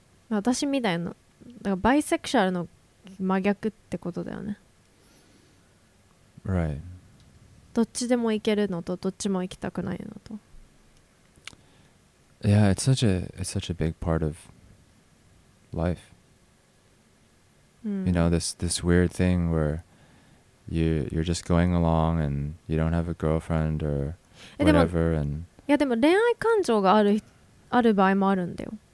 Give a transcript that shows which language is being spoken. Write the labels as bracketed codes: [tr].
[ja] 私みたいな、だからバイセクシュアルの真逆ってことだよね。 [en] Right. [ja] どっちでも行けるのとどっちも行きたくないのと。 [en] Yeah, it's such a big part of life. You know, this weird thing where you're just going along and you don't have a girlfriend or whatever. And yeah, [ja] でも恋愛感情がある場合もあるんだよ。